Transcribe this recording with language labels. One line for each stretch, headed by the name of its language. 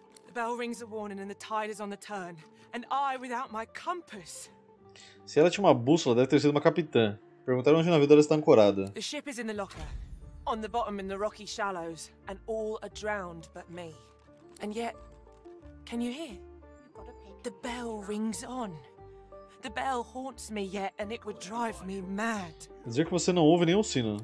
English: The bell rings a warning and the tide is on the turn. And I without my compass.
Portuguese: Se ela tinha uma bússola, deve ter sido uma capitã. Perguntaram onde o navio dela está ancorada.
English: The ship is in the locker, on the bottom in the rocky shallows, and all are drowned but me. And yet, can you hear? The bell rings on. The bell haunts me yet, and it would drive me mad.
Portuguese: Dizer que você não ouve nenhum sino.